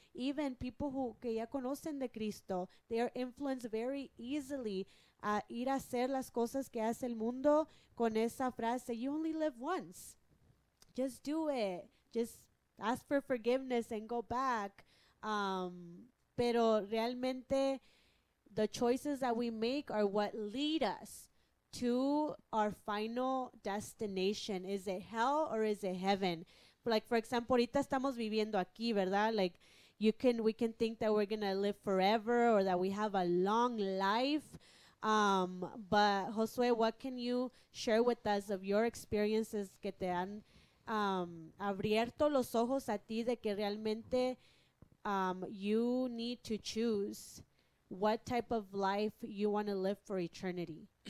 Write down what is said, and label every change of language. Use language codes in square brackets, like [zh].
[en] Even people [es] que ya conocen de Cristo, [en] they are influenced very easily [es] a ir a hacer las cosas que hace el mundo con esa frase, [en] you only live once, just do it, just ask for forgiveness and go back. [es] Pero realmente, [en] the choices that we make are what lead us to our final destination. Is it hell or is it heaven? Like, for example, [es] ahorita estamos viviendo aquí, ¿verdad? [en] Like, we can think that we're going to live forever or that we have a long life. But, Josue, what can you share with us of your experiences [es] que te han abierto los ojos a ti de que realmente [en] you need to choose what type of life you want to live for eternity?